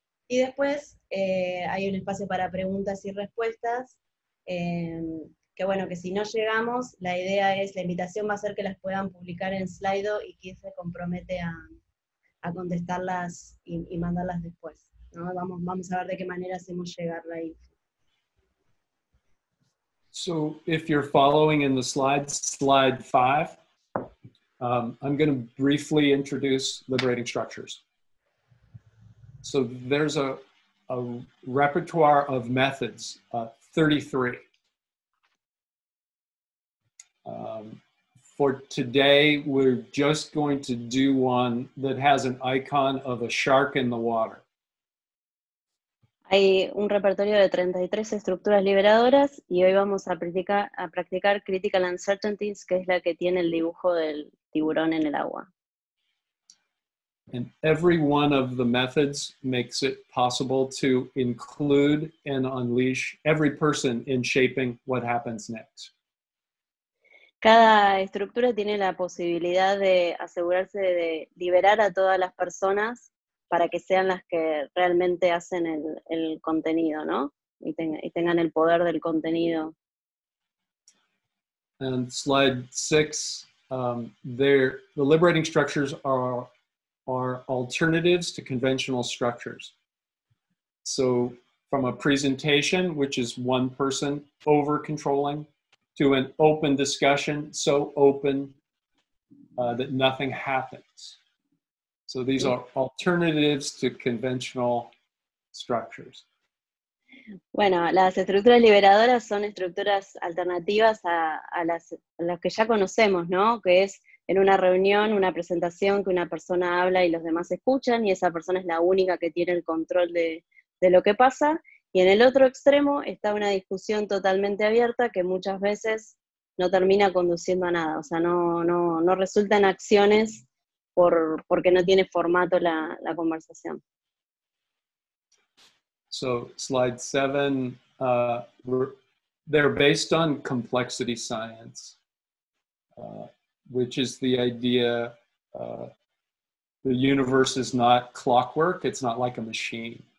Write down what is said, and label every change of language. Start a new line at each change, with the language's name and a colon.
Spanish: Y después hay un espacio para preguntas y respuestas, que bueno, que si no llegamos, la idea es, la invitación va a ser que las puedan publicar en Slido y quien se compromete a contestarlas y mandarlas después, ¿no? Vamos a ver de qué manera hacemos llegar la info.
English: So, if you're following in the slides, slide 5, I'm going to briefly introduce liberating structures. So there's a repertoire of methods, 33. For today, we're just going to do one that has an icon of a shark in the water.
Spanish: Hay un repertorio de 33 estructuras liberadoras y hoy vamos a practicar Critical Uncertainties, que es la que tiene el dibujo del tiburón en el agua.
English: And every one of the methods makes it possible to include and unleash every person in shaping what happens next.
Spanish: Cada estructura tiene la posibilidad de asegurarse de liberar a todas las personas para que sean las que realmente hacen el contenido, ¿no? Y tengan el poder del contenido.
English: And slide 6, the liberating structures are alternatives to conventional structures. So from a presentation, which is one person over controlling, to an open discussion, so open that nothing happens. So these are alternatives to conventional structures.
Spanish: Bueno, las estructuras liberadoras son estructuras alternativas a las que ya conocemos, ¿no? Que es en una reunión, una presentación, que una persona habla y los demás escuchan, y esa persona es la única que tiene el control de lo que pasa. Y en el otro extremo está una discusión totalmente abierta que muchas veces no termina conduciendo a nada, o sea, no resulta en acciones porque no tiene formato la conversación.
English: So, slide 7, they're based on complexity science, which is the idea the universe is not clockwork, it's not like a machine.